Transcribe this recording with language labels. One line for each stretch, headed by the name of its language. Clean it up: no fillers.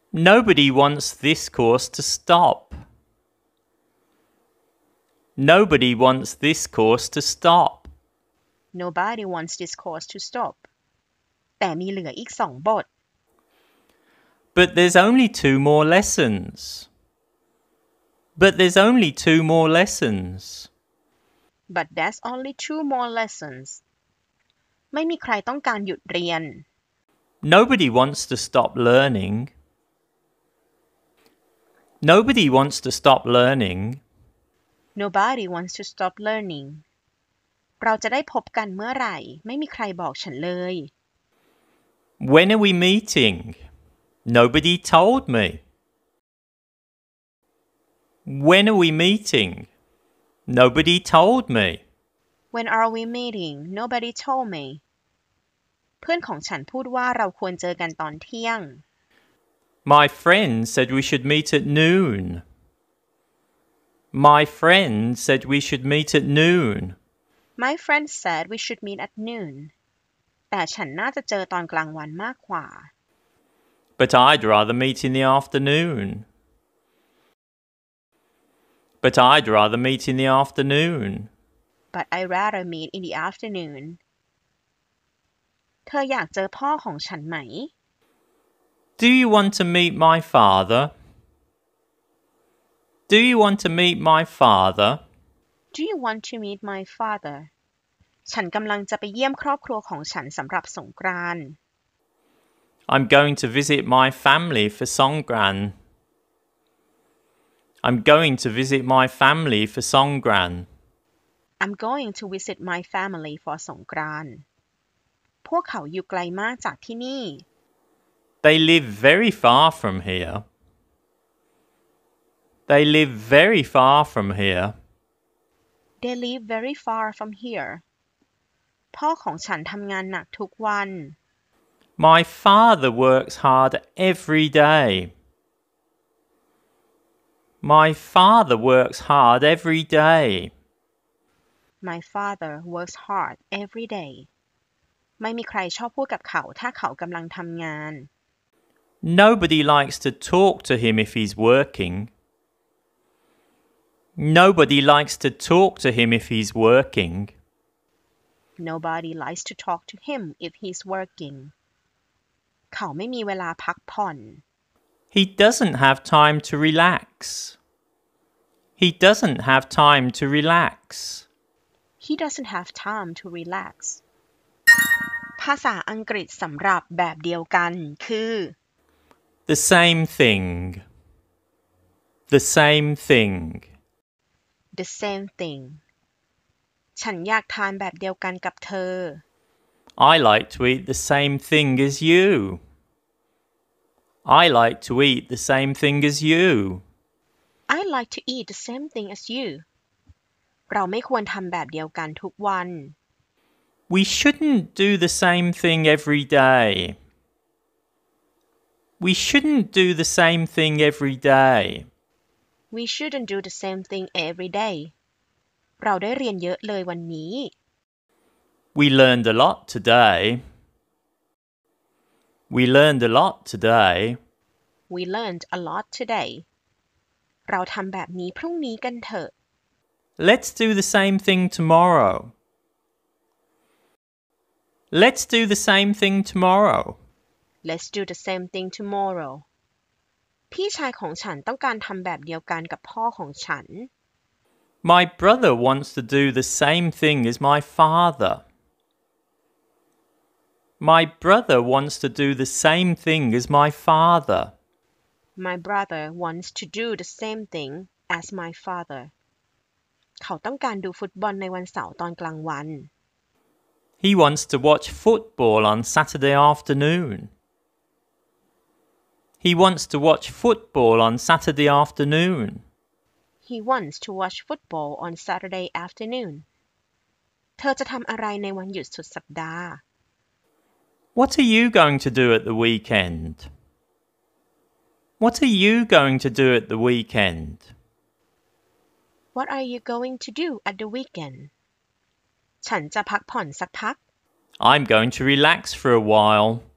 English: Nobody wants this course to stop. Nobody wants this course to stop. Nobody wants this course to stop.
Thai: แต่มีเหลืออีก2บท
English: But there's only two more lessons. But there's only two more lessons. But there's only two more lessons.
Thai: ไม่มีใครต้องการหยุดเรียน
English: Nobody wants to stop learning. Nobody wants to stop learning. Nobody wants to stop learning.
Thai: เราจะได้พบกันเมื่อไหร่ไม่มีใครบอกฉันเลย
English: When are we meeting? Nobody told me. When are we meeting? Nobody told me. When are we meeting? Nobody told me.
Thai: เพื่อนของฉันพูดว่าเราควรเจอกันตอนเที่ยง
English: My friend said we should meet at noon. My friend said we should meet at noon. My friend said we should meet at noon.
Thai: แต่ฉันน่าจะเจอตอนกลางวันมากกว่า
English: But I'd rather meet in the afternoon. But I'd rather meet in the afternoon. But I'd rather meet in the afternoon.
Thai: เธออยากเจอพ่อของฉันไหม
English: Do you want to meet my father? Do you want to meet my father? Do you want to meet my father?
Thai: ฉันกำลังจะไปเยี่ยมครอบครัวของฉันสำหรับสงกรานต์
English: I'm going to visit my family for Songkran. I'm going to visit my family for Songkran. I'm going to visit my family for Songkran.
Thai: พวกเขาอยู่ไกลมากจากที่นี่
English: They live very far from here. They live very far from here. They live very far from here.
Thai: พ่อของฉันทำงานหนักทุกวัน
English: My father works hard every day. My father works hard every day. My father works hard every day.
Thai: ไม่มีใครชอบพูดกับเขาถ้าเขากำลังทำงาน
English: Nobody likes to talk to him if he's working. Nobody likes to talk to him if he's working. Nobody likes to talk to him if he's working.
Thai: เขาไม่มีเวลาพักผ่อน
English: He doesn't have time to relax. He doesn't have time to relax. He doesn't have time to relax.
Thai: ภาษาอังกฤษสำหรับแบบเดียวกันคือ
English: The same thing. The same thing. The same thing.
Thai: ฉันอยากทานแบบเดียวกันกับเธ
English: อ I like to eat the same thing as you. I like to eat the same thing as you. I like to eat the same thing as you.
Thai: เราไม่ควรทำแบบเดียวกันทุกวัน
English: We shouldn't do the same thing every day. We shouldn't do the same thing every day. We shouldn't do the same thing every day.
Thai: เราได้เรียนเยอะเลยวันนี้
English: We learned a lot today. We learned a lot today. We learned a lot today.
Thai: เราทำแบบนี้พรุ่งนี้กันเถอะ
English: Let's do the same thing tomorrow. Let's do the same thing tomorrow. Let's do the same thing tomorrow.
Thai: พี่ชายของฉันต้องการทำแบบเดียวกันกับพ่อของฉัน
English: My brother wants to do the same thing as my father. My brother wants to do the same thing as my father. My brother wants to do the same thing as my father.
Thai: เขาต้องการดูฟุตบอลในวันเสาร์ตอนกลางวัน
English: He wants to watch football on Saturday afternoon. He wants to watch football on Saturday afternoon. He wants to watch football on Saturday afternoon.
Thai: เธอจะทำอะไรในวันหยุดสุดสัปดาห์
English: What are you going to do at the weekend? What are you going to do at the weekend? What are you going to do at the weekend?
Thai: ฉันจะพักผ่อนสักพัก
English: I'm going to relax for a while.